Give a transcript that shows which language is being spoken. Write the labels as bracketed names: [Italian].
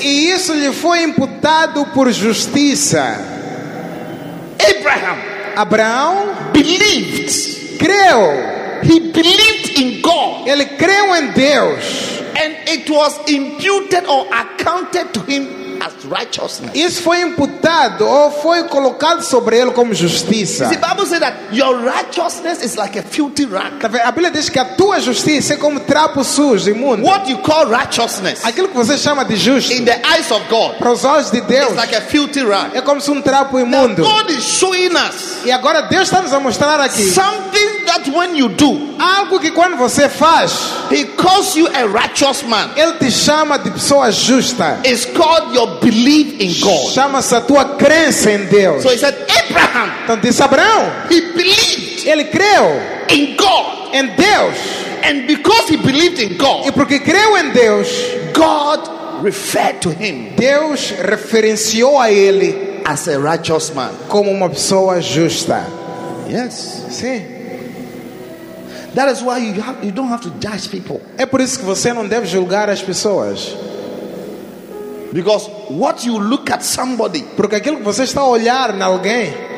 [Portuguese] E isso lhe foi imputado por justiça. [English] Abraham. [Portuguese] Abraão [English] believed. [Portuguese] Creu. [English] He believed in God. [Portuguese] Ele creu em Deus. [English] And it was imputed or accounted to him as righteousness. [Portuguese] Isso foi imputado ou foi colocado sobre ele como justiça. [English] The Bible says that your righteousness is like a filthy rag. [Portuguese] A Bíblia diz que a tua justiça é como trapo sujo, imundo. [English] What you call righteousness? [Portuguese] Aquilo que você chama de justo. [English] In the eyes of God. [Portuguese] Para os olhos de Deus. [English] It's like a filthy rag. [Portuguese] É como se trapo imundo. [English] Now God is showing us. [Portuguese] E agora Deus está nos a mostrar aqui. [English] Something that when you do. [Portuguese] Algo que quando você faz. [English] He calls you a righteous man. [Portuguese] Ele te chama de pessoa justa. [English] It's called your belief in God. [Portuguese] Chama-se a tua crença em Deus. [English] So he said, Abraham. [Portuguese] Então disse Abraão. [English] He believed. [Portuguese] Ele creu. [English] In God. [Portuguese] Em Deus. [English] And because he believed in God. [Portuguese] E porque creu em Deus. [English] God referred to him. [Portuguese] Deus referenciou a ele [English] as a righteous man. [Portuguese] Como uma pessoa justa. [English] Yes. [Portuguese] Sim. [English] That is why you don't have to judge people. [Portuguese] É por isso que você não deve julgar as pessoas. [English] Because what you look at somebody, [Portuguese] porque aquilo que você está a olhar em alguém,